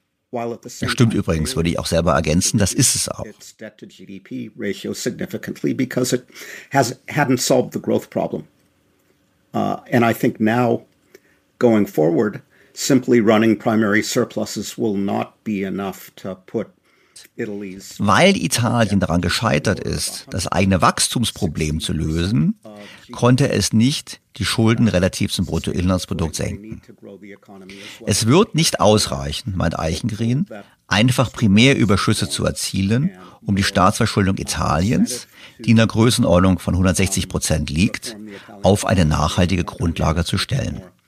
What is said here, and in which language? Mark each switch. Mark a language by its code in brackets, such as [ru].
[de] Das stimmt übrigens, würde ich auch selber ergänzen, das ist es auch. [en] Its debt to GDP ratio significantly because it hadn't solved the growth problem. And I think now going forward, simply running primary surpluses will not be enough to put. [de] Weil Italien daran gescheitert ist, das eigene Wachstumsproblem zu lösen, konnte es nicht die Schulden relativ zum Bruttoinlandsprodukt senken. Es wird nicht ausreichen, meint Eichengreen, einfach Primärüberschüsse zu erzielen, um die Staatsverschuldung Italiens, die in der Größenordnung von 160% liegt, auf eine nachhaltige Grundlage zu stellen.